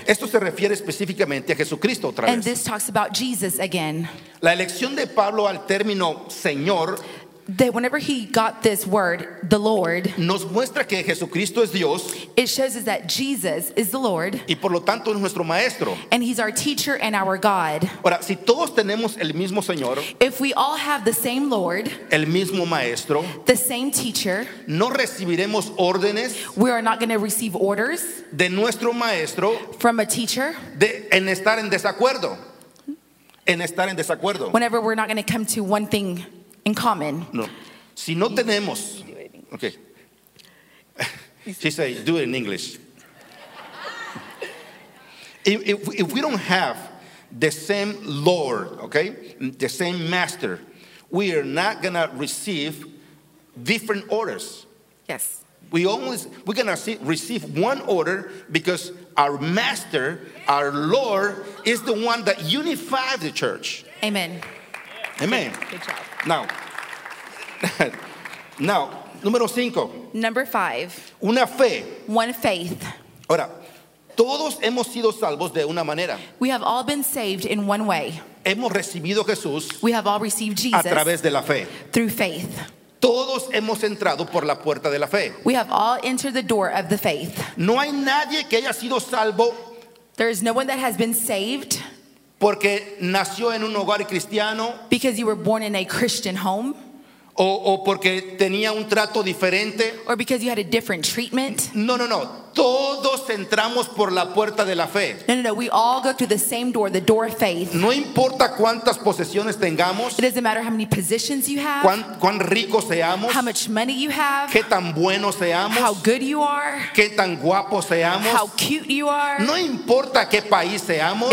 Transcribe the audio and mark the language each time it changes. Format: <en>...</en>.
<es>Esto se refiere específicamente a Jesucristo otra vez.</es> <en>And this talks about Jesus again.</en> <es>La elección de Pablo al término Señor.</es> <en>That whenever he got this word, the Lord,</en> <es>nos muestra que Jesucristo es Dios,</es> <en>it shows us that Jesus is the Lord,</en> <es>y por lo tanto es nuestro maestro,</es> <en>and he's our teacher and our God.</en> <es>Ahora, si todos tenemos el mismo Señor,</es> <en>if we all have the same Lord,</en> <es>el mismo maestro,</es> <en>the same teacher,</en> <es>no recibiremos órdenes,</es> <en>we are not going to receive orders</en> <es>de nuestro maestro,</es> <en>from a teacher,</en> <es>en estar en desacuerdo, en estar en desacuerdo,</es> <en>whenever we're not going to come to one thing in common.</en> <es>No. Si no tenemos.</es> <en>Okay. She said, do it in English. If we don't have the same Lord, okay, the same master, we are not going to receive different orders. Yes. We're going to receive one order because our master, our Lord, is the one that unified the church. Amen. Amen. Good job. Now.</en> <es>Now, número cinco.</es> <en>Number five.</en> <es>Una fe.</es> <en>One faith.</en> <es>Ahora, todos hemos sido salvos de una manera.</es> <en>We have all been saved in one way.</en> <es>Hemos recibido Jesús.</es> <en>We have all received Jesus.</en> <es>A través de la fe.</es> <en>Through faith.</en> <es>Todos hemos entrado por la puerta de la fe.</es> <en>We have all entered the door of the faith.</en> <es>No hay nadie que haya sido salvo.</es> <en>There is no one that has been saved.</en> <es>Porque nació en un hogar cristiano.</es> <en>Because you were born in a Christian home.</en> <es>O porque tenía un trato diferente.</es> <en>Or because you had a different treatment.</en> <es>No. Todos entramos por la puerta de la fe.</es> <en>No. We all go through the same door, the door of faith.</en> <es>No importa cuántas posesiones tengamos.</es> <en>It doesn't matter how many positions you have.</en> <es>Cuán rico seamos.</es> <en>How much money you have.</en> <es>Qué tan bueno seamos.</es> <en>How good you are.</en> <es>Qué tan guapo seamos.</es> <en>How cute you are.</en> <es>No importa qué país seamos.</es>